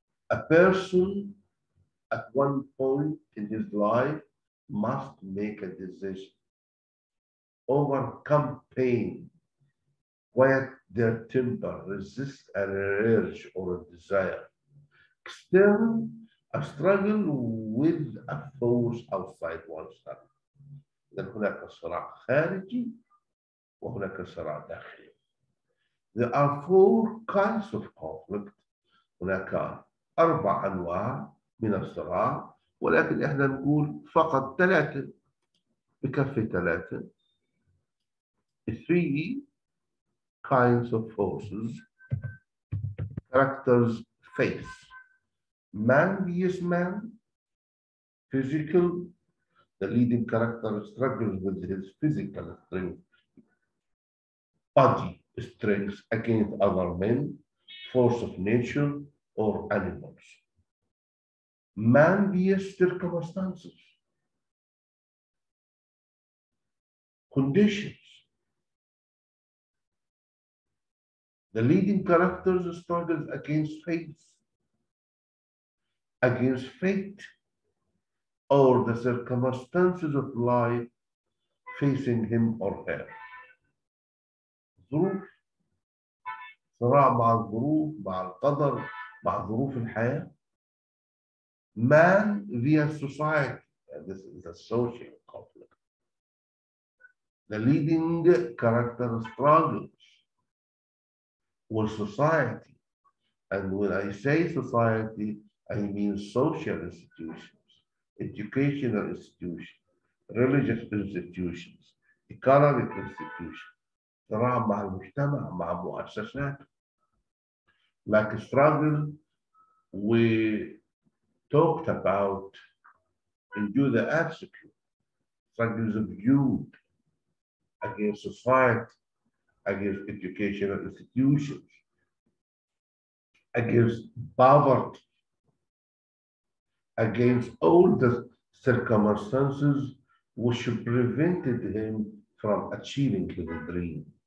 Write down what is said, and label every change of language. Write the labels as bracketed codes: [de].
[en] A person at one point in his life must make a decision, overcome pain, quiet their temper, resist an urge or a desire. External, a struggle with a force outside oneself. Then [ar] هناك صراع خارجي وهناك صراع داخلي. [en] There are four kinds of conflict. [ar] هناك أربع أنواع من الصراع. ولكن احنا نقول فقط ثلاثة بكفي ثلاثة. [en] Three kinds of forces characters face. Man vs man, physical, the leading character struggles with his physical strength, body strength against other men, force of nature or animals. Man vs circumstances, conditions. The leading characters struggle against fate, against fate, or the circumstances of life facing him or her. [ar] ظروف, صراع مع الظروف, مع القدر, مع ظروف الحياة. [en] Man via society, this is a social conflict. The leading character struggles with society. And when I say society, I mean social institutions, educational institutions, religious institutions, economic institutions. [ar] صراع مع المجتمع, مع مؤسسات. [en] Like a struggle we talked about in Judah Absecute, Frankly, it was imbued against society, against educational institutions, against poverty, against all the circumstances which prevented him from achieving his dream.